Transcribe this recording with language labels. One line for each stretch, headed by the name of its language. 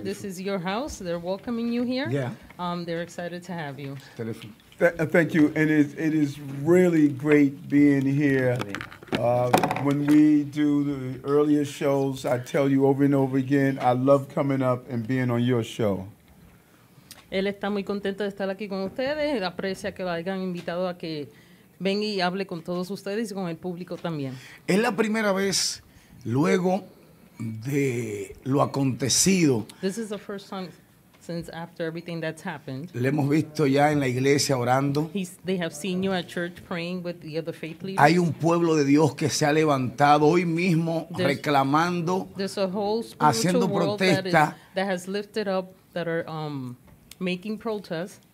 English: This is your house. They're welcoming you here. Yeah. They're excited to have you. Thank you. And it is really great being here. When we do the earlier shows, I tell you over and over again, I love coming up and being on your show.
Spanish: Él está muy contento de estar aquí con ustedes. Él aprecia que lo hayan invitado a que venga y hable con todos ustedes y con el público también. Es la primera vez luego de lo acontecido.
English: This is the first time since after everything that's happened.
Spanish: Le hemos visto ya en la iglesia orando.
English: They have seen you at church praying with the other faith leaders.
Spanish: Hay un pueblo de Dios que se ha levantado hoy mismo reclamando, haciendo protesta.
English: That has lifted up, that are making protests.